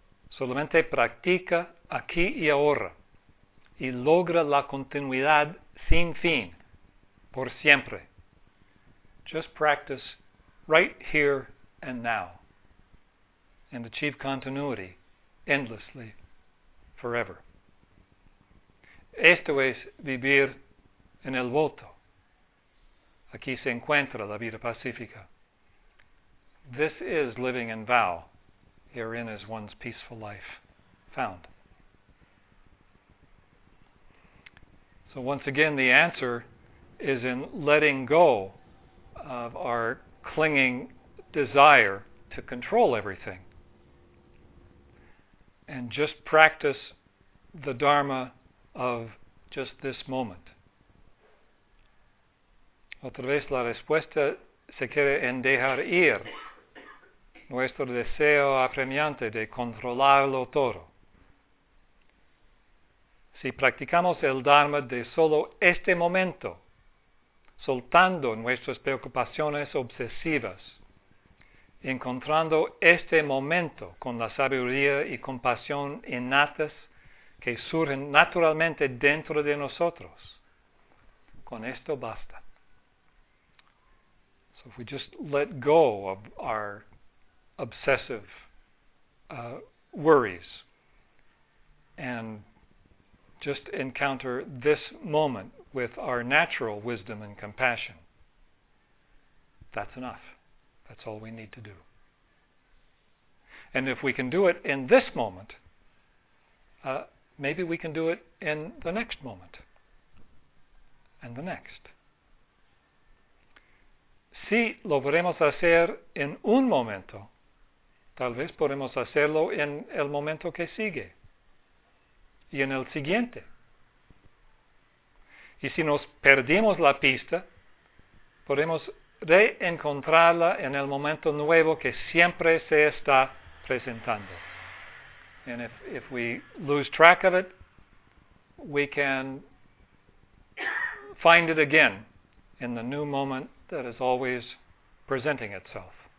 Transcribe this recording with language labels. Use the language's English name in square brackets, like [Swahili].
[Spanish] Solamente practica aquí y ahora y logra la continuidad sin fin, por siempre. [English] Just practice right here and now and achieve continuity endlessly forever. [Spanish] Esto es vivir en el voto. Aquí se encuentra la vida pacífica. [English] This is living in vow. Herein is one's peaceful life found. So once again, the answer is in letting go of our clinging desire to control everything and just practice the Dharma of just this moment. [Spanish] Otra vez la respuesta se quiere en dejar ir nuestro deseo apremiante de controlarlo todo. Si practicamos el Dharma de solo este momento, soltando nuestras preocupaciones obsesivas, encontrando este momento con la sabiduría y compasión innatas que surgen naturalmente dentro de nosotros, con esto basta. [English] So if we just let go of our obsessive worries and just encounter this moment with our natural wisdom and compassion, that's enough. That's all we need to do. And if we can do it in this moment, maybe we can do it in the next moment and the next. [Spanish] Si lo podemos hacer en un momento, tal vez podemos hacerlo en el momento que sigue y en el siguiente. Y si nos perdimos la pista, podemos reencontrarla en el momento nuevo que siempre se está presentando. [English] And if we lose track of it, we can find it again in the new moment that is always presenting itself.